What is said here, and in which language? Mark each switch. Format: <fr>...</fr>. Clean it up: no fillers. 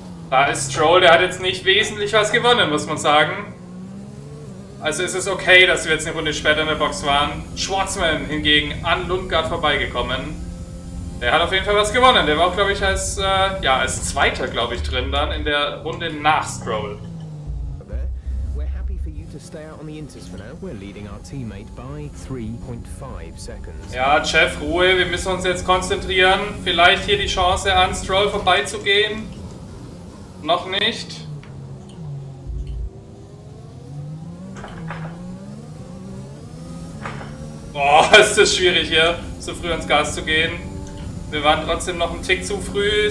<de>Da ist Stroll, der hat jetzt nicht wesentlich was gewonnen, muss man sagen. Also ist es okay, dass wir jetzt eine Runde später in der Box waren. Schwarzman hingegen an Lundgaard vorbeigekommen. Der hat auf jeden Fall was gewonnen. Der war auch, glaube ich, als, ja, als Zweiter, glaube ich, drin dann in der Runde nach Stroll.</de> <en>We're happy for you to stay out on the inters for now. We're leading our teammate by 3.5 seconds.</en> <de>Ja, Jeff, Ruhe. Wir müssen uns jetzt konzentrieren. Vielleicht hier die Chance an Stroll vorbeizugehen. Noch nicht. Boah, ist das schwierig hier, so früh ans Gas zu gehen. Wir waren trotzdem noch einen Tick zu früh.</de>